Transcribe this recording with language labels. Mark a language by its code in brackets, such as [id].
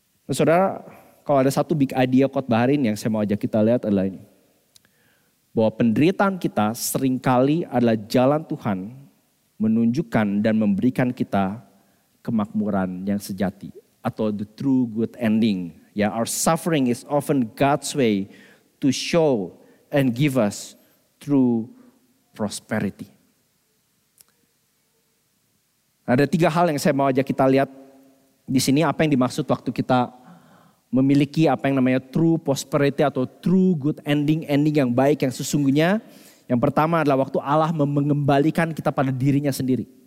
[id] Nah, saudara, kalau ada satu big idea khotbah hari ini yang saya mau ajak kita lihat adalah ini. bahwa penderitaan kita seringkali adalah jalan Tuhan menunjukkan dan memberikan kita kemakmuran yang sejati atau [en] the true good ending. Ya, our suffering is often God's way to show and give us true prosperity. [id] Ada tiga hal yang saya mau ajak kita lihat di sini, apa yang dimaksud waktu kita memiliki apa yang namanya [en] true prosperity [id] atau [en] true good ending, [id] ending yang baik, yang sesungguhnya. Yang pertama adalah waktu Allah mengembalikan kita pada dirinya sendiri.